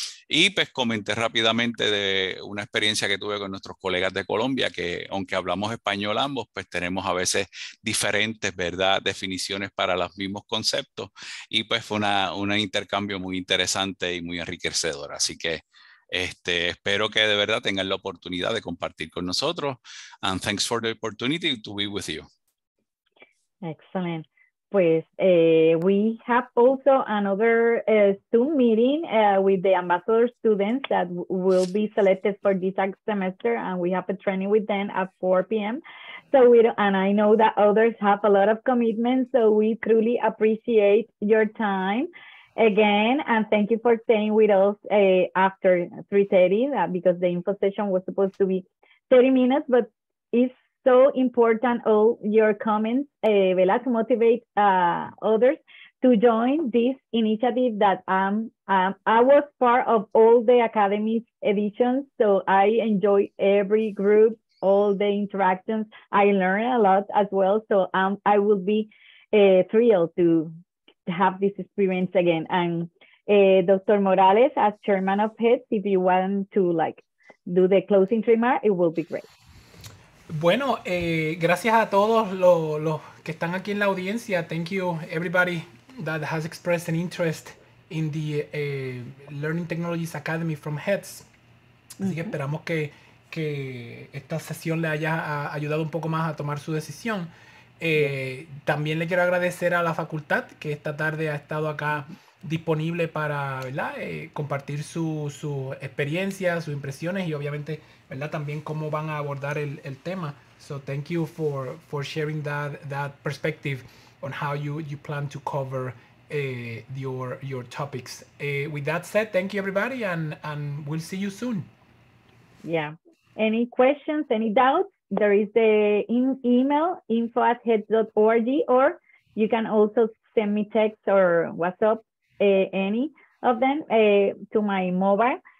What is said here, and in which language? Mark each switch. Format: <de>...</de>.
<es>Y pues comenté rápidamente de una experiencia que tuve con nuestros colegas de Colombia, que aunque hablamos español ambos, pues tenemos a veces diferentes, ¿verdad?, definiciones para los mismos conceptos. Y pues fue un intercambio muy interesante y muy enriquecedor. Así que este, espero que de verdad tengan la oportunidad de compartir con nosotros.</es> <en>And thanks for the opportunity to be with you. Excellent. Pues we have also another Zoom meeting with the ambassador students that will be selected for this semester, and we have a training with them at 4 p.m. So we don't, and I know that others have a lot of commitments, so we truly appreciate your time again, and thank you for staying with us after 3:30, because the info session was supposed to be 30 minutes, but it's so important, all your comments, ¿verdad?, to motivate others to join this initiative that I was part of all the academy's editions. So I enjoy every group, all the interactions. I learn a lot as well. So I will be thrilled to have this experience again. And Dr. Morales, as chairman of HETS, if you want to like do the closing remark, it will be great.</en> <es>Bueno, gracias a todos los que están aquí en la audiencia.</es> <en>Thank you everybody that has expressed an interest in the Learning Technologies Academy from HETS.</en> <es>Así que esperamos que esta sesión le haya ayudado un poco más a tomar su decisión. También le quiero agradecer a la facultad que esta tarde ha estado acá disponible para, ¿verdad?, compartir su experiencia, sus impresiones y obviamente, ¿verdad?, también cómo van a abordar el tema.</es> <en>So thank you for sharing that perspective on how you plan to cover your topics. With that said, thank you everybody, and we'll see you soon. Yeah. Any questions, any doubts? There is the email info@heads.org, or you can also send me text or WhatsApp, any of them, to my mobile.</en>